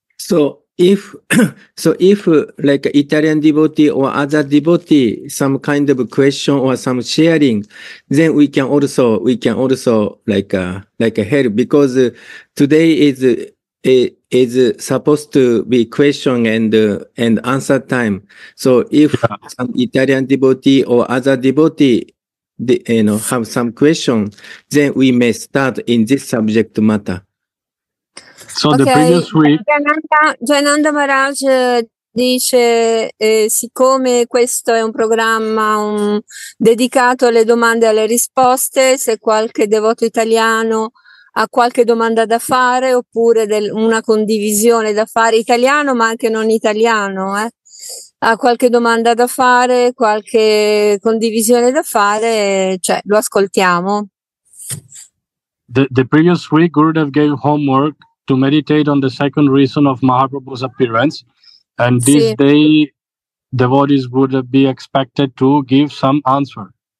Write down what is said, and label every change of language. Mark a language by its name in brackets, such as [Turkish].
[English] So if like Italian devotee or other devotee, some kind of question or some sharing, then we can also help, because today is supposed to be question and answer time. So if some Italian devotee or other devotee, have some question, then we may start in this subject matter. So okay. The previous week, [Italian] Jayananda Maharaj dice, siccome questo è un programma dedicato alle domande e alle risposte, se qualche devoto italiano ha qualche domanda da fare oppure una condivisione da fare, italiano ma anche non italiano, ha qualche domanda da fare, qualche condivisione da fare, cioè lo ascoltiamo. [English] The previous week Gurudev gave homework to meditate on the second reason of Mahaprabhu's appearance, and this sì. Day devotees would be expected to give some answer.